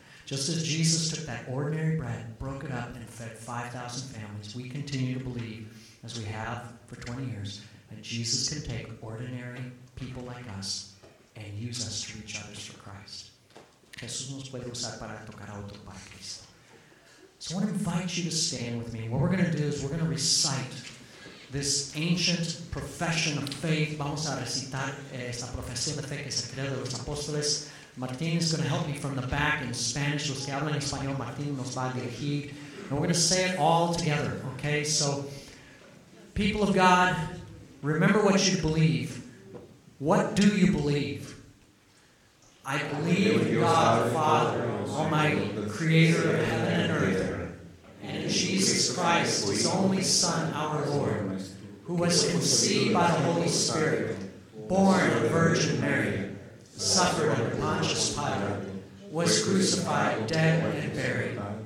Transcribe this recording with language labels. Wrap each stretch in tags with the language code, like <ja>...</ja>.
<en>Just as Jesus took that ordinary bread, broke it up, and fed 5,000 families, we continue to believe, as we have for 20 years, that Jesus can take ordinary people like us and use us to reach others for Christ.</en> <es>Jesús nos puede usar para tocar a otro para Cristo.</es> <en>So I want to invite you to stand with me. What we're going to do is we're going to recite this ancient profession of faith.</en> <es>Vamos a recitar esta profesión de fe que se creó de los apóstoles.</es> <en>Martín is going to help me from the back in Spanish.</en> <es>Los que hablan español, Martín nos va a dirigir.</es> <en>And we're going to say it all together, okay? So, people of God, remember what you believe. What do you believe? I believe in God, the Father, Almighty, the Creator of heaven and earth, and in Jesus Christ, His only Son, our Lord, who was conceived by the Holy Spirit, born of the Virgin Mary, suffered under Pontius Pilate, was crucified, dead, and buried.</en>